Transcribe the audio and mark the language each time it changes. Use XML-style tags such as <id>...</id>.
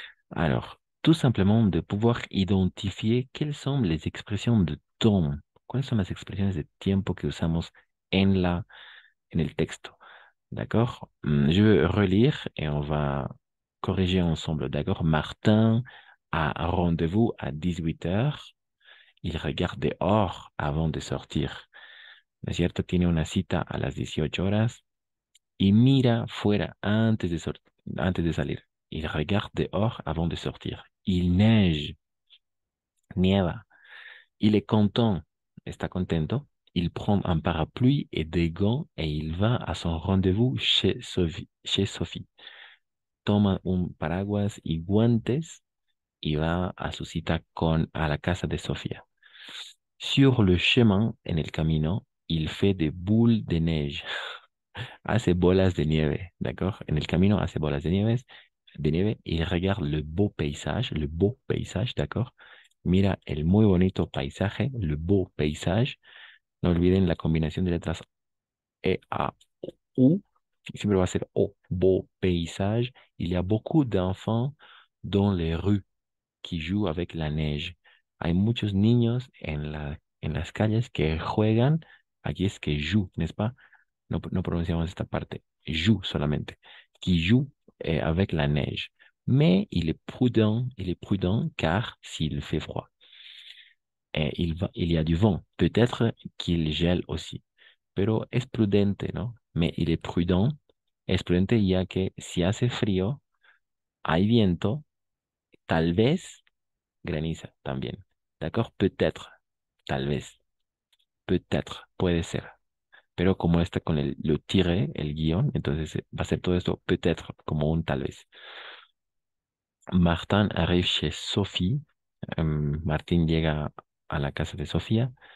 <fr>Alors, tout simplement de pouvoir identifier quelles sont les expressions de temps, quelles sont les expressions</fr> <es>de tiempo que usamos en el texto.</es> <fr>D'accord? Je vais relire et on va corriger ensemble, d'accord? Martin a rendez-vous à 18h. Il regarde dehors avant de sortir.</fr> <es>¿No es cierto? Tiene una cita a las 18 horas y mira fuera antes de salir.</es> <fr>Il regarde dehors avant de sortir. Il neige.</fr> <es>Nieva.</es> <fr>Il est content.</fr> <es>Está contento.</es> <fr>Il prend un parapluie et des gants et il va à son rendez-vous chez Sophie.</fr> <es>Toma un paraguas y guantes.</es> <fr>Il va à</fr> <es>su cita</es> <fr>à</fr> <es>la casa de Sofía.</es> <fr>Sur le chemin,</fr> <es>en el camino,</es> <fr>il fait des boules de neige.</fr> <es>Hace bolas de nieve, d'accord? En el camino, hace bolas de nieve.</es> <fr>Il regarde le beau paysage, d'accord?</fr> <es>Mira el muy bonito paisaje,</es> <fr>le beau paysage.</fr> <es>No olviden la combinación de letras E, A, U. Siempre va a ser O, beau paysage.</es> <fr>Il y a beaucoup d'enfants dans les rues qui joue avec la neige.</fr> <es>Hay muchos niños en las calles que juegan. Aquí es que joue, ¿n'est-ce pas? No, no pronunciamos esta parte. Joue solamente.</es> <fr>Qui joue avec la neige. Mais il est prudent car s'il fait froid. Et il y a du vent. Peut-être qu'il gèle aussi.</fr> <es>Pero es prudente, ¿no?</es> <fr>Mais il est prudent.</fr> <es>Es prudente ya que si hace frío, hay viento. Tal vez graniza también. D'accord? Peut-être. Tal vez. Peut-être. Puede ser. Pero como está con lo tiré, el guión, entonces va a ser todo esto peut-être, como un tal vez.</es> <fr>Martin arrive chez Sophie.</fr> <es>Martin llega a la casa de Sofía.</es>